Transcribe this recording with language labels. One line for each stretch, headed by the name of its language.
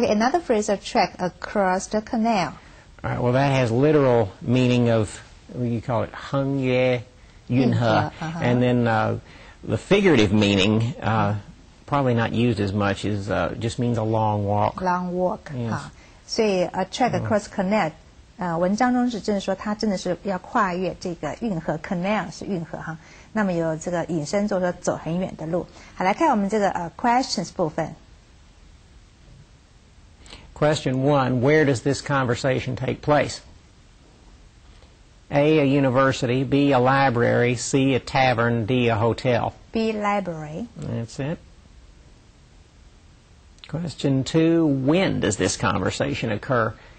English: Okay, another phrase, a track across the canal. All right, well that has literal meaning of, you call it, Heng Ye Yunhe. And then the figurative meaning, probably not used as much, is just means a long walk. Long walk. Yes. So a track across canal.
Chinese: 文章中是真的说他真的是要跨越这个运河 canal 是运河哈，那么有这个引申就是说走很远的路。好，来看我们这个questions 部分。
English: Question one: Where does this conversation take place? A. A university. B. A library. C. A tavern. D. A hotel. B. Library. That's it. Question two: When does this conversation occur?